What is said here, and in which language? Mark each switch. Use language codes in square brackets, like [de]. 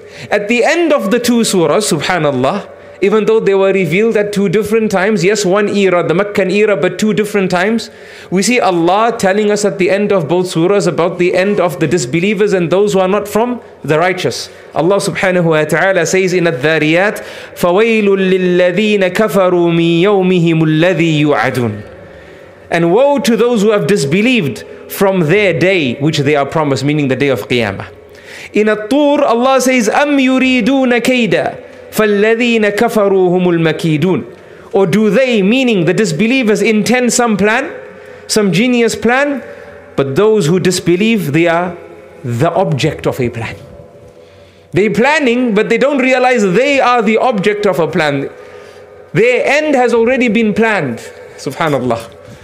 [en] At the end of the two surahs, subhanallah, even though they were revealed at two different times, yes, one era, the Meccan era, but two different times, we see Allah telling us at the end of both surahs about the end of the disbelievers and those who are not from the righteous. Allah subhanahu wa ta'ala says in Al-Dhariyat, [ar] فَوَيْلٌ لِلَّذِينَ كَفَرُوا مِنْ يَوْمِهِمُ الَّذِي يُعَدُونَ. [en] And woe to those who have disbelieved from their day, which they are promised, meaning the day of Qiyamah. In At-Tur, Allah says, [ar] أَمْ يُرِيدُونَ كَيْدًا فَالَّذِينَ كَفَرُوا هُمُ الْمَكِيدُونَ. [en] Or do they, meaning the disbelievers, intend some plan, some genius plan? But those who disbelieve, they are the object of a plan. They're planning, but they don't realize they are the object of a plan. Their end has already been planned, subhanallah.